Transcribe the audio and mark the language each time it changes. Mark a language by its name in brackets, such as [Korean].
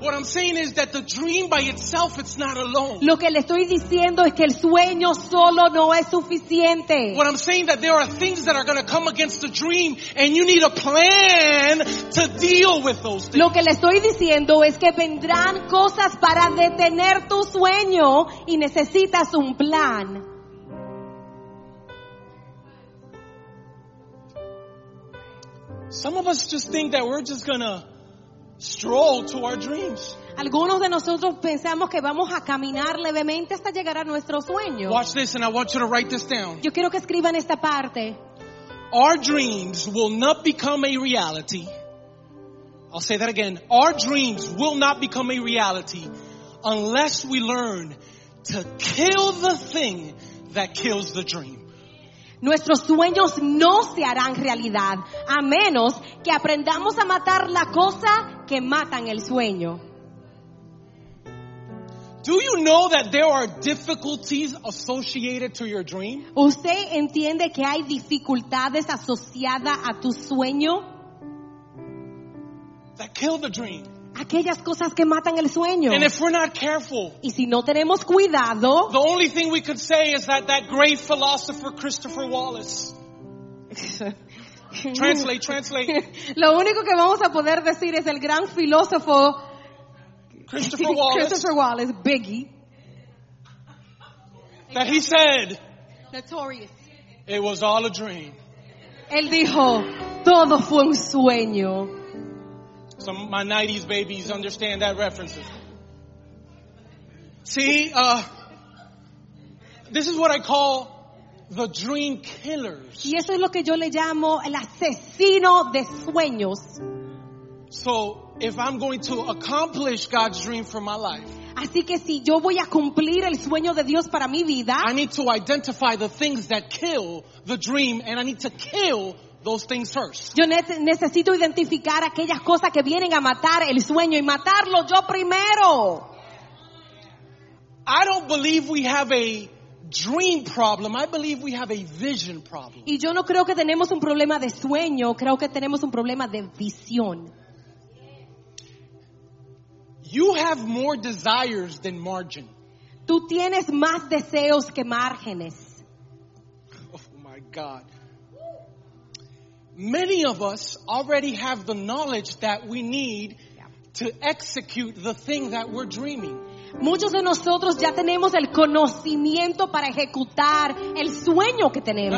[English] What I'm saying is that the dream by itself, it's not alone. [Spanish] Lo que le estoy diciendo es que el sueño solo no es suficiente. [English] What I'm saying is that there are things that are going to come against the dream and you need a plan to deal with those things. [Spanish] Lo que le estoy diciendo es que vendrán cosas para detener tu sueño y necesitas un plan. [English] Some of us just think that we're just gonna stroll to our dreams. [Spanish] Algunos de nosotros pensamos que vamos a caminar levemente hasta llegar a nuestro sueño. [English] Watch this, and I want you to write this down. [Spanish] Yo quiero que escriban esta parte. [English] Our dreams will not become a reality. I'll say that again. Our dreams will not become a reality unless we learn to kill the thing that kills the dream. [Spanish] Nuestros sueños no se harán realidad a menos que aprendamos a matar la cosa que matan el sueño. [English] Do you know that there are difficulties associated to your dream? [Spanish] ¿Usted entiende que hay dificultades asociadas a tu sueño? [English] That kill the dream. [Spanish] Aquellas cosas que matan el sueño. [English] And if we're not careful, [Spanish] y si no tenemos cuidado, [English] the only thing we could say is that that great philosopher Christopher Wallace. Translate, translate. [Spanish] Lo único que vamos a poder decir es el gran filósofo Christopher Wallace. [English] Christopher Wallace, Biggie. That he said, notorious. It was all a dream. [Spanish] Él dijo, todo fue un sueño. [English] Some of my 90s babies understand that reference. See, this is what I call the dream killers. [Spanish] Y eso es lo que yo le llamo el asesino de sueños. [English] So, if I'm going to accomplish God's dream for my life, [Spanish] así que si yo voy a cumplir el sueño de Dios para mi vida, [English] I need to identify the things that kill the dream, and I need to kill those things first. [Spanish] Yo necesito identificar aquellas cosas que vienen a matar el sueño y matarlo yo primero. [English] I don't believe we have a dream problem. I believe we have a vision problem. [Spanish] Y yo no creo que tenemos un problema de sueño. Creo que tenemos un problema de visión. [English] You have more desires than margin. [Spanish] Tú tienes más deseos que márgenes. [English] Oh my God. Many of us already have the knowledge that we need to execute the thing that we're dreaming. [Spanish] Muchos de nosotros ya tenemos el conocimiento para ejecutar el sueño que tenemos.